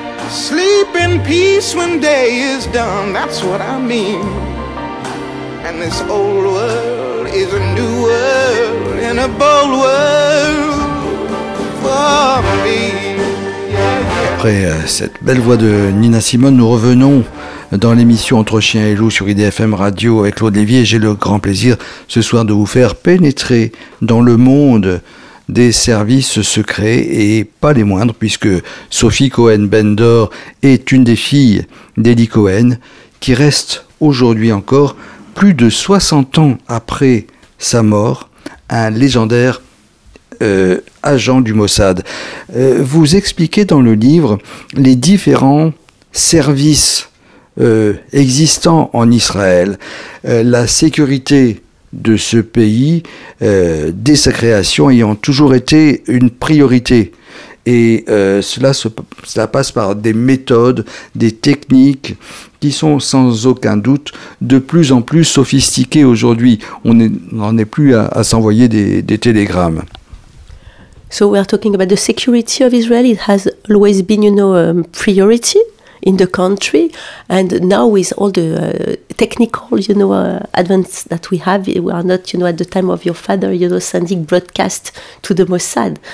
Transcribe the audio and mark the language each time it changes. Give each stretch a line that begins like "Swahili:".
English: Sleep in peace when day is done, that's what I mean. And this old world is a new world and a bold world for me.
French: Après cette belle voix de Nina Simone, nous revenons dans l'émission Entre Chien et Loup sur IDFM Radio avec Claude Lévy, et j'ai le grand plaisir ce soir de vous faire pénétrer dans le monde des services secrets, et pas les moindres, puisque Sophie Cohen-Bendor est une des filles d'Eli Cohen, qui reste aujourd'hui encore, plus de 60 ans après sa mort, un légendaire agent du Mossad. Vous expliquez dans le livre les différents services existants en Israël, la sécurité de ce pays, dès sa création, ayant toujours été une priorité. Et cela passe par des méthodes, des techniques qui sont sans aucun doute de plus en plus sophistiquées aujourd'hui. On n'en est plus à s'envoyer des télégrammes.
English: So we are talking about the security of Israel. It has always been, you know, priority in the country, and now with all the technical, you know, advance that we have, we are not, you know, at the time of your father, you know, sending broadcast to the Mossad.